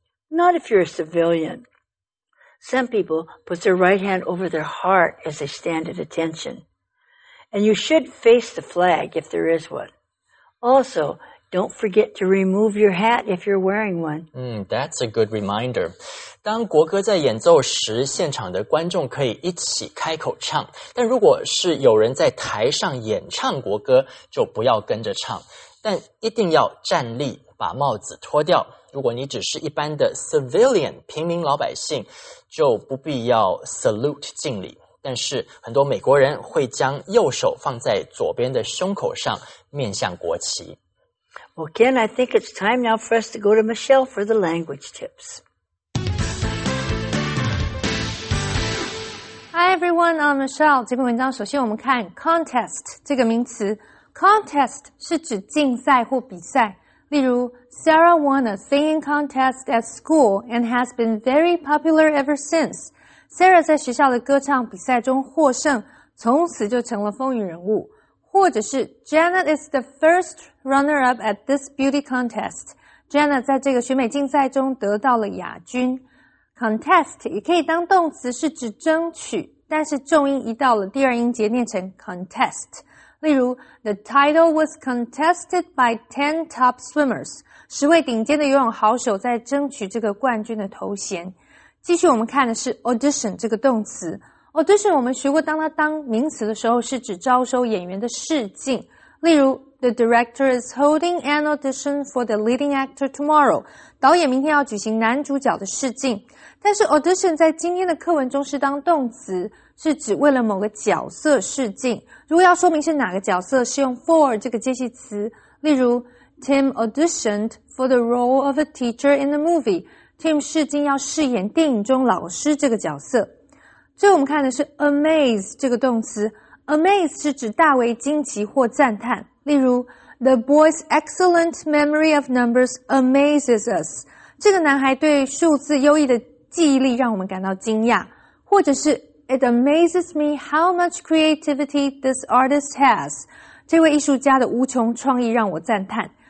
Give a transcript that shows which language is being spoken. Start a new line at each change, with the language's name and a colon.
English: Not if you're a civilian. Some people put their right hand over their heart as they stand at attention. And you should face the flag if there is one. Also, don't forget to remove your hat if you're wearing one. That's a good reminder.
Chinese: 当国歌在演奏时，现场的观众可以一起开口唱。但如果是有人在台上演唱国歌，就不要跟着唱。但一定要站立，把帽子脱掉。如果你只是一般的 civilian, 平民老百姓，就不必要 salute 敬礼。但是很多美国人会将右手放在左边的胸口上，面向国旗。
English: Well, Ken, I think it's time now for us to go to Michelle for the language tips. Hi, everyone, I'm Michelle.
Chinese: 这篇文章首先我们看 contest 这个名词。 Contest 是指竞赛或比赛。例如
English: ,Sarah won a singing contest at school and has been very popular ever since.
Chinese: Sarah 在学校的歌唱比赛中获胜，从此就成了风云人物。或者是
English: ,Janet is the first runner-up at this beauty contest.
Chinese: Janet 在这个选美竞赛中得到了亚军。Contest 也可以当动词，是指争取，但是重音移到了第二音节，念成 contest。例如 ,
English: the title was contested by 10 top swimmers,
Chinese: 十位顶尖的游泳好手在争取这个冠军的头衔。继续我们看的是 audition 这个动词。audition 我们学过当它当名词的时候是指招收演员的试镜。例如
English: ,the director is holding an audition for the leading actor tomorrow,
Chinese: 导演明天要举行男主角的试镜。但是 audition 在今天的课文中是当动词。是指为了某个角色试镜。如果要说明是哪个角色，是用 for 这个介系词。例如
English: ,Tim auditioned for the role of a teacher in the movie.
Chinese: Tim 试镜要饰演电影中老师这个角色。最后我们看的是 amaze 这个动词。amaze 是指大为惊奇或赞叹。例如
English: ,the boy's excellent memory of numbers amazes us.
Chinese: 这个男孩对数字优异的记忆力让我们感到惊讶。或者是
English: It amazes me how much creativity this artist has.
Chinese: 这位艺术家的无穷创意让我赞叹。